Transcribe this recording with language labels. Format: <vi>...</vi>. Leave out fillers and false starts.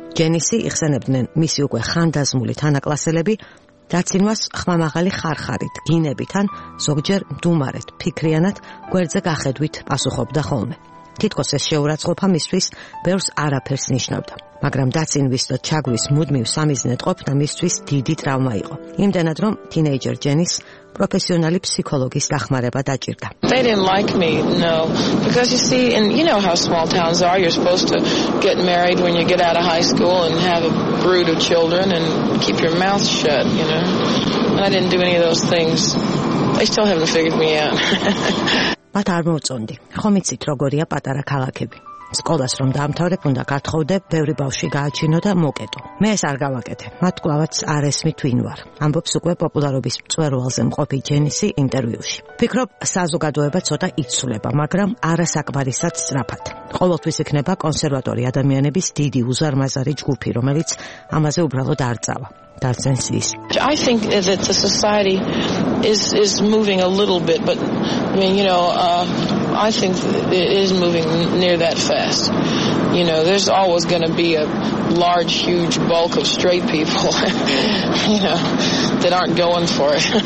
<ka>ჯენისი იხსენებდნენ მისი უკვე ხანდაზმული თანაკლასელები დაცინვას ხმამაღალი ხარხარით, გინებით ან ზოგჯერ მდუმარეთ, ფიქრიანად, გვერდზე გახედვით პასუხობდა ხოლმე. თითქოს ეს შეურაცხყოფა მისთვის ბევრს არაფერს ნიშნავდა. მაგრამ დაწინვის და ჩაგვრის მუდმივ სამიზნედ ყოფნა მისთვის დიდი ტრავმა იყო. იმდენად რომ თინეიჯერ ჯენის პროფესიონალი ფსიქოლოგის დახმარება დაჭირდა.</ka> <en>They didn't like me, no. Because you see, and you know how small towns are, you're supposed to get married when you get out of high school and have a brood of children and keep your mouth shut, you know. And I didn't do any of those things. They still haven't figured me out.</en> <ka>მათ არ მოუწონდი. ხომ იცით როგორია პატარა ქალაქები? სკოლას რომ დაამთავრებ, უნდა გათხოვდეთ, ბევრი ბავშვი გააჩინო და მოკეტო. მე ეს არ გავაკეთე. მათ კლავაც არ ესმით ვინ ვარ. ამბობს უკვე პოპულარობის მწვერვალზე მყოფი ჯენისი ინტერვიუში. ფიქრობ, საზოგადოება ცოტა იცვლება, მაგრამ არასაკმარისად სწრაფად. ყოველთვის იქნება კონსერვატორი ადამიანების დიდი უზარმაზარი ჯგუფი, რომელიც ამაზე უბრალოდ არ წავა.</ka> <en>I think that the society is moving a little bit, but I mean, you know, I think it is moving near that fast. You know, there's always going to be a large, huge bulk of straight people, you know, that aren't going for it.</en>